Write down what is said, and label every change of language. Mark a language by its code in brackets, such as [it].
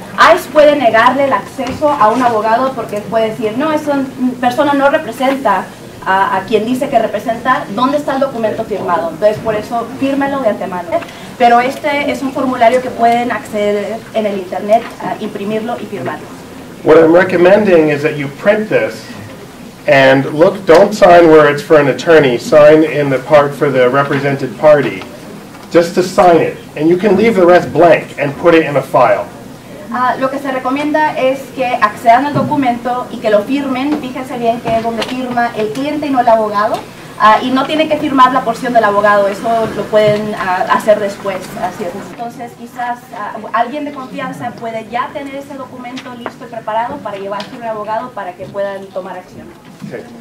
[es] ICE puede negarle el acceso a un abogado porque puede decir, no, esa persona no representa a quien dice que representa, ¿dónde está el documento firmado? Entonces, por eso, fírmelo de antemano. Pero este es un formulario que pueden acceder en el internet, imprimirlo y firmarlo. [en] What I'm recommending is that you print this. And look, don't sign where it's for an attorney. Sign in the part for the represented party. Just to sign it. And you can leave the rest blank and put it in a file. [es] Lo que se recomienda es que accedan al documento y que lo firmen. Fíjense bien que es donde firma el cliente y no el abogado. Y no tiene que firmar la porción del abogado. Eso lo pueden hacer después. Así es. Entonces, quizás alguien de confianza puede ya tener ese documento listo y preparado para llevarse a un abogado para que puedan tomar acción. Sí.